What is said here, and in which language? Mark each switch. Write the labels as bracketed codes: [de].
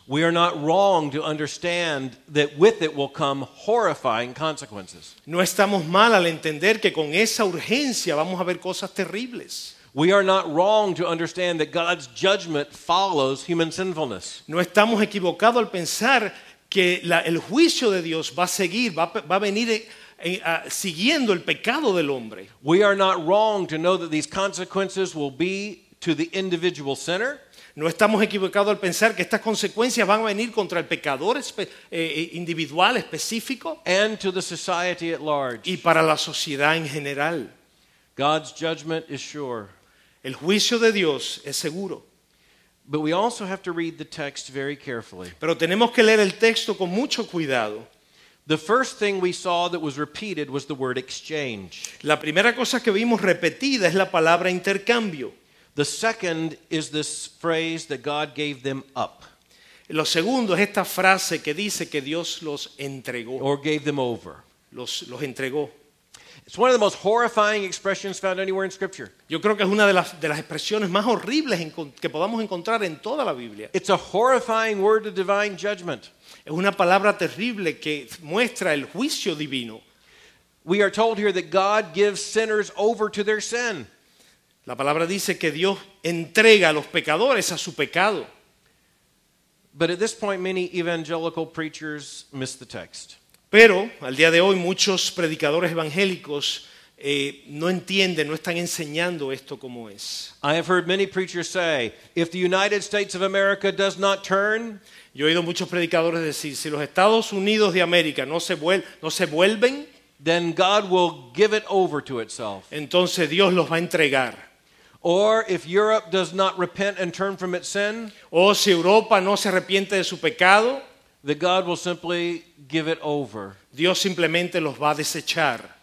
[en] We are not wrong to understand that with it will come horrifying consequences. [es] No estamos mal al entender que con esa urgencia vamos a ver cosas terribles. [en] We are not wrong to understand that God's judgment follows human sinfulness. [es] No estamos equivocados al pensar que el juicio de Dios va a seguir, va a venir siguiendo el pecado del hombre. [en] We are not wrong to know that these consequences will be to the individual sinner. [es] No estamos equivocados al pensar que estas consecuencias van a venir contra el pecador individual específico. [en] And to the society at large. [es] Y para la sociedad en general. [en] God's judgment is sure. [es] El juicio de Dios es seguro. [en] But we also have to read the text very carefully. [es] Pero tenemos que leer el texto con mucho cuidado. [en] The first thing we saw that was repeated was the word exchange. [es] La primera cosa que vimos repetida es la palabra intercambio. [en] The second is this phrase that God gave them up. [es] Lo segundo es esta frase que dice que Dios los entregó. [en] Or gave them over. [es] Los entregó. [en] It's one of the most horrifying expressions found anywhere in Scripture. [es] Yo creo que es una de las expresiones más horribles que podamos encontrar en toda la Biblia. [en] It's a horrifying word of divine judgment. [es] Es una palabra terrible que muestra el juicio divino. [en] We are told here that God gives sinners over to their sin. [es] La palabra dice que Dios entrega a los pecadores a su pecado. [en] But at this point, many evangelical preachers miss the text. [es] Pero al día de hoy muchos predicadores evangélicos no entienden, no están enseñando esto como es. [en] I have heard many preachers say, if the United States of America does not turn, [es] yo he oído muchos predicadores decir, si los Estados Unidos de América no se vuelven, [en] then God will give it over to itself. [es] Entonces Dios los va a entregar. [en] Or if Europe does not repent and turn from its sin, [es] o si Europa no se arrepiente de su pecado, [en] that God will simply give it over. [es] Dios simplemente los va a desechar.